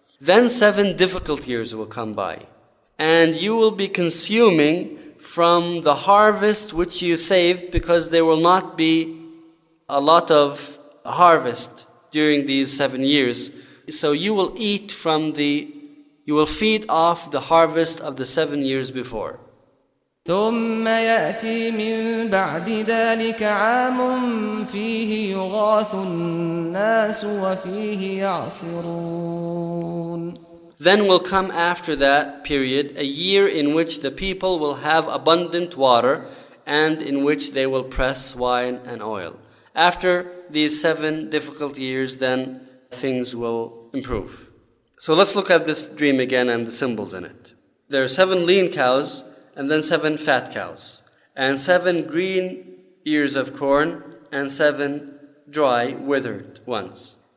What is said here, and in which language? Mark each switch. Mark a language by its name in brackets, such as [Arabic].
[English] Then 7 difficult years will come by, and you will be consuming from the harvest which you saved, because there will not be a lot of harvest during these 7 years. So you will eat from the, you will feed off the harvest of the 7 years before. [Arabic] ثم يأتي من بعد ذلك عام فيه يغاث الناس وفيه يعصرون. [English] Then will come after that period a year in which the people will have abundant water and in which they will press wine and oil. After these 7 difficult years, then things will improve. So let's look at this dream again and the symbols in it. There are 7 lean cows and then 7 fat cows and 7 green ears of corn and 7 dry, withered ones.